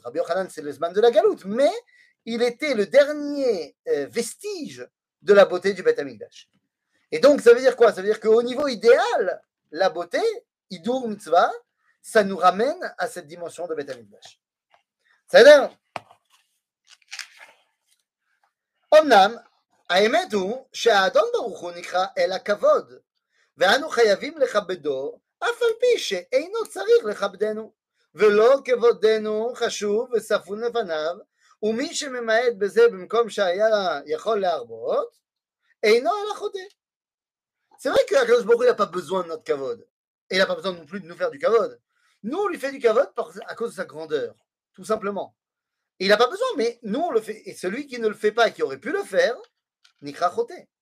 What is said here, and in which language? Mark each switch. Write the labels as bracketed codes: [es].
[fr] Rabbi Yochanan, c'est le zman de la galout, mais il était le dernier vestige de la beauté du Beit HaMikdash. Et donc, ça veut dire quoi? Ça veut dire qu'au niveau idéal, la beauté, idur mitzvah, ça nous ramène à cette dimension de Beit HaMikdash. C'est bien. [he] Omnam, האמת הוא שהאדון ברוך הוא נקרא אל הכבוד, ואנו חייבים לכבדו אף על פי שאינו צריך לכבדנו, ולא כבודנו חשוב וספון לפניו, ומי שממעט בזה במקום שהיה יכול להרבות, אינו אל החודה. [fr] C'est vrai que הקדוש ברוך הוא n'a pas besoin de notre כבוד, il n'a pas besoin non plus de nous faire du כבוד. Nous, on lui fait du כבוד à cause de sa grandeur, tout simplement. Il n'a pas besoin, mais nous, on le fait. Et celui qui ne le fait pas et qui aurait pu le faire, [he] נקרא חוטא.